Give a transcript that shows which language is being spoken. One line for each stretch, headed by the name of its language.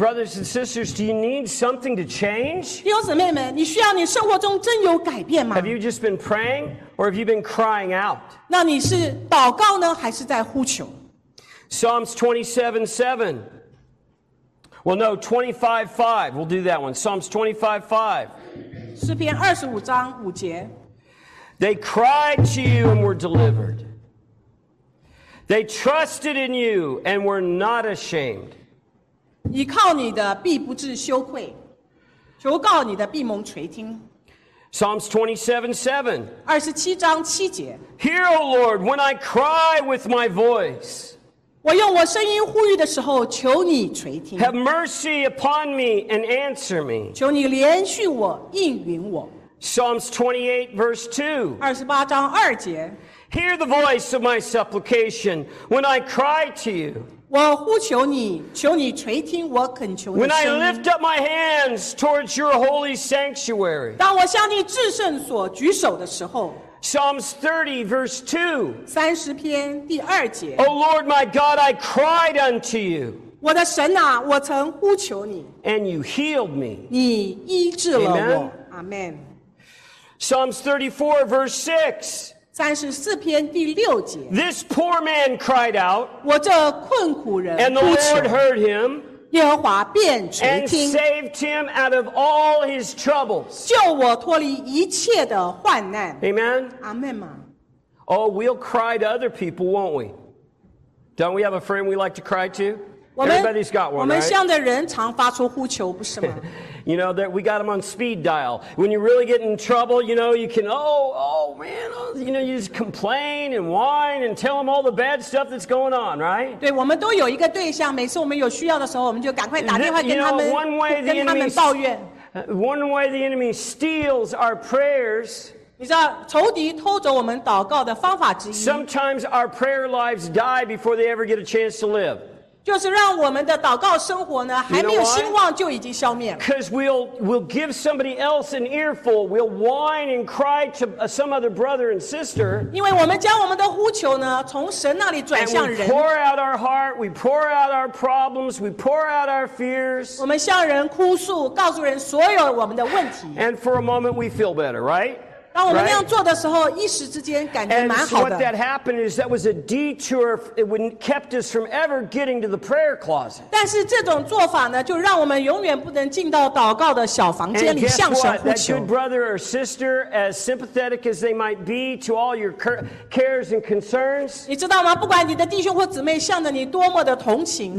English: Brothers and sisters, do you need something to change?
Chinese: 弟兄姊妹们，你需要你生活中真有改变吗？
English: Have you just been praying, or have you been crying out?
Chinese: 那你是祷告呢，还是在呼求？
English: Psalms 27:7. Well, no, 25:5. We'll do that one. Psalms 25:5.
Chinese: 诗篇二十五章五节
English: They cried to you and were delivered. They trusted in you and were not ashamed.
Chinese: 依靠你的必不致羞愧，求告你的必蒙垂听。
English: Psalms 27:7.
Chinese: 二十七章七节
English: Hear, O Lord, when I cry with my voice.
Chinese: 我用我声音呼吁的时候，求你垂听。
English: Have mercy upon me and answer me.
Chinese: 求你连续我，应允我。
English: Psalms 28:2.
Chinese: 二十八章二节。
English: Hear the voice of my supplication when I cry to you.
Chinese: 我呼求你，求你垂听我恳求的声音。
English: When I lift up my hands towards your holy sanctuary.
Chinese: 当我向你至圣所举手的时候。
English: Psalms 30:2.
Chinese: 三十篇第二节。
English: O Lord, my God, I cried unto you.
Chinese: 我的神啊，我曾呼求你。
English: And you healed me.
Chinese: 你医治了我。
English: Amen. Amen. Psalms 34:6.
Chinese: 三十四篇第六节。
English: This poor man cried out.
Chinese: 我这困苦人呼求。
English: And the Lord heard him.
Chinese: 耶和华便垂听。
English: And saved him out of all his troubles.
Chinese: 救我脱离一切的患难。
English: Amen. Amen. Oh, we'll cry to other people, won't we? Don't we have a friend we like to cry to? Everybody's got one, right?
Chinese: 我们向的人常发出呼求，不是吗？
English: You know, that we got them on speed dial. When you really get in trouble, you know, you can, oh man, you know, you just complain and whine and tell them all the bad stuff that's going on, right?
Chinese: 对，我们都有一个对象，每次我们有需要的时候，我们就赶快打电话跟他们
English: you know, one way
Chinese: 跟他们抱怨。
English: One way the enemy steals our prayers.
Chinese: 你知道，仇敌偷走我们祷告的方法之一。
English: Sometimes our prayer lives die before they ever get a chance to live.
Chinese: 就是让我们的祷告生活呢，还没有兴旺就已经消灭了。
English: Because we'll give somebody else an earful, we'll whine and cry to some other brother and sister.
Chinese: 因为我们将我们的呼求呢，从神那里转向人。
English: And we pour out our heart, we pour out our problems, we pour out our fears.
Chinese: 我们向人哭诉，告诉人所有我们的问题。
English: And for a moment we feel better, right?
Chinese: 当我们那样做的时候，一时之间感觉蛮好的。
English: And what that happened is that was a detour. It would kept us from ever getting to the prayer closet.
Chinese: 但是这种做法呢，就让我们永远不能进到祷告的小房间里向神呼求。
English: That good brother or sister, as sympathetic as they might be to all your cares and concerns,
Chinese: 你知道吗？不管你的弟兄或姊妹向着你多么的同情